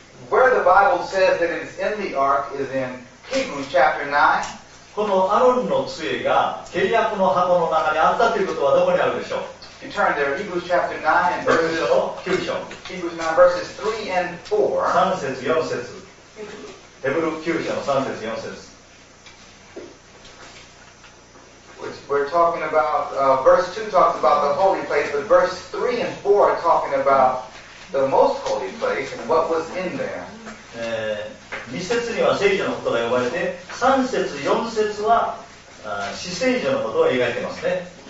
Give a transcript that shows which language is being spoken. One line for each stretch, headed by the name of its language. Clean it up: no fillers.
English: where the Bible says that it's in the ark is in Hebrews chapter 9.
Japanese: このアロンの杖が契約の箱の中にあったということはどこにあるでしょう。
English: You turn there, Hebrews chapter 9 and verses
Japanese: 9 章。
English: Hebrews 9 verses 3 and 4.
Japanese: 三節四節。ヘブル九章の三節四節。
English: We're talking about verse 2 talks about the holy place, but verse 3 and 4 are talking about the most holy place and what was in there.
Japanese: 2節には聖所のことが呼ばれて、3節4節は死聖所のことを描いてますね。